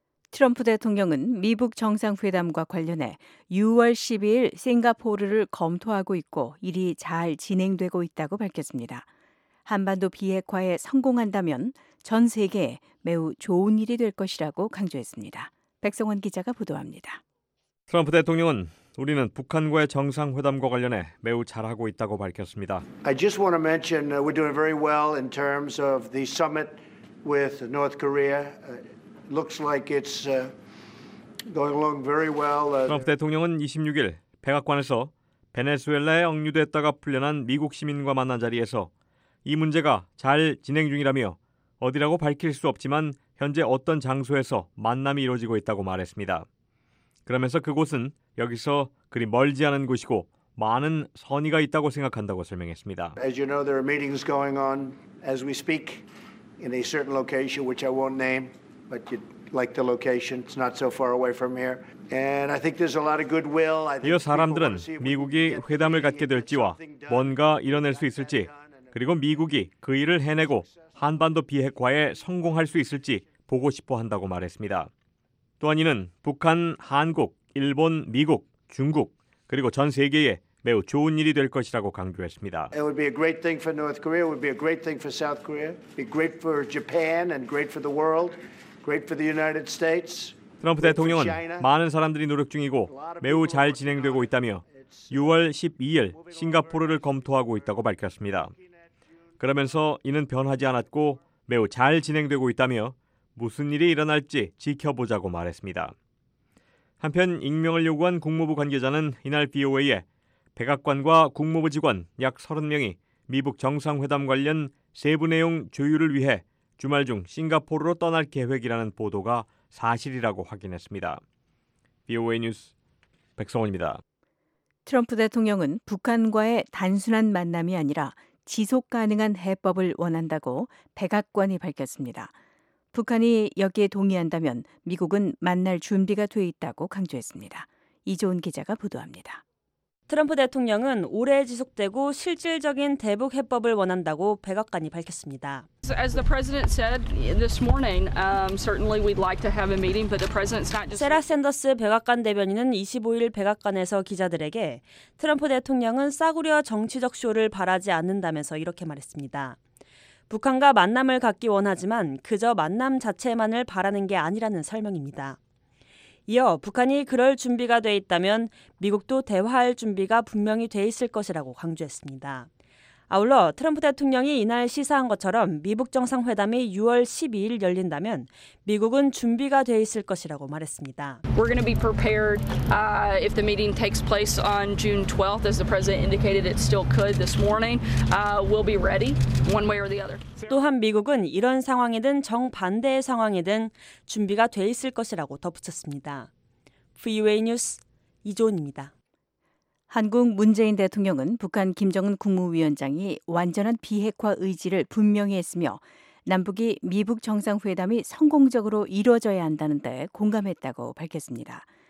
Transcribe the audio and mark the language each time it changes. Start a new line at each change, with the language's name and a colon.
Korean: 트럼프 대통령은 미북 정상회담과 관련해 6월 12일 싱가포르를 검토하고 있고 일이 잘 진행되고 있다고 밝혔습니다. 한반도 비핵화에 성공한다면 전 세계에 매우 좋은 일이 될 것이라고 강조했습니다. 백성원 기자가 보도합니다. 트럼프 대통령은 우리는 북한과의 정상회담과 관련해 매우 잘하고 있다고 밝혔습니다.
English: I just want to mention we're doing very well in terms of the summit with North Korea. Looks like it's going along very well.
Korean: 트럼프 대통령은 26일 백악관에서 베네수엘라에 억류됐다가 풀려난 미국 시민과 만난 자리에서 이 문제가 잘 진행 중이라며 어디라고 밝힐 수 없지만 현재 어떤 장소에서 만남이 이루어지고 있다고 말했습니다. 그러면서 그곳은 여기서 그리 멀지 않은 곳이고 많은 선의가 있다고 생각한다고 설명했습니다.
English: As you know, there are meetings going on as we speak in a certain location which I won't name. But you like the location. It's not so far away from here. And I think there's a lot of goodwill.
Korean: 이어 사람들은 미국이 회담을 갖게 될지와 뭔가 이뤄낼 수 있을지, 그리고 미국이 그 일을 해내고 한반도 비핵화에 성공할 수 있을지 보고 싶어 한다고 말했습니다. 또한 이는 북한, 한국, 일본, 미국, 중국, 그리고 전 세계에 매우 좋은 일이 될 것이라고 강조했습니다.
English: It would be a great thing for North Korea. It would be a great thing for South Korea. Be great for Japan and great for the world. Great for the United States.
Korean: 트럼프 대통령은 많은 사람들이 노력 중이고 매우 잘 진행되고 있다며 6월 12일 싱가포르를 검토하고 있다고 밝혔습니다. 그러면서 이는 변하지 않았고 매우 잘 진행되고 있다며 무슨 일이 일어날지 지켜보자고 말했습니다. 한편 익명을 요구한 국무부 관계자는 이날 BOA에 백악관과 국무부 직원 약 30명이 미북 정상회담 관련 세부 내용 조율을 위해 주말 중 싱가포르로 떠날 계획이라는 보도가 사실이라고 확인했습니다. BOA 뉴스 백성원입니다. 트럼프 대통령은 북한과의 단순한 만남이 아니라 지속 가능한 해법을 원한다고 백악관이 밝혔습니다. 북한이 여기에 동의한다면 미국은 만날 준비가 돼 있다고 강조했습니다. 이조은 기자가 보도합니다. 트럼프 대통령은 오래 지속되고 실질적인 대북 해법을 원한다고 백악관이 밝혔습니다.
English: As the president said this morning, certainly we'd like to have a meeting, but the president's not just.
Korean: 세라 샌더스 백악관 대변인은 25일 백악관에서 기자들에게 트럼프 대통령은 싸구려 정치적 쇼를 바라지 않는다면서 이렇게 말했습니다. 북한과 만남을 갖기 원하지만 그저 만남 자체만을 바라는 게 아니라는 설명입니다. 이어 북한이 그럴 준비가 돼 있다면 미국도 대화할 준비가 분명히 돼 있을 것이라고 강조했습니다. 아울러 트럼프 대통령이 이날 시사한 것처럼 미북 정상회담이 6월 12일 열린다면 미국은 준비가 돼 있을 것이라고 말했습니다.
English: We're going to be prepared if the meeting takes place on June 12th as the president indicated it still could this morning. We'll be ready one way or the other.
Korean: 또한 미국은 이런 상황이든 정반대의 상황이든 준비가 돼 있을 것이라고 덧붙였습니다. VOA 뉴스 이조은입니다. 한국 문재인 대통령은 북한 김정은 국무위원장이 완전한 비핵화 의지를 분명히 했으며 남북이 미북 정상회담이 성공적으로 이루어져야 한다는 데 공감했다고 밝혔습니다.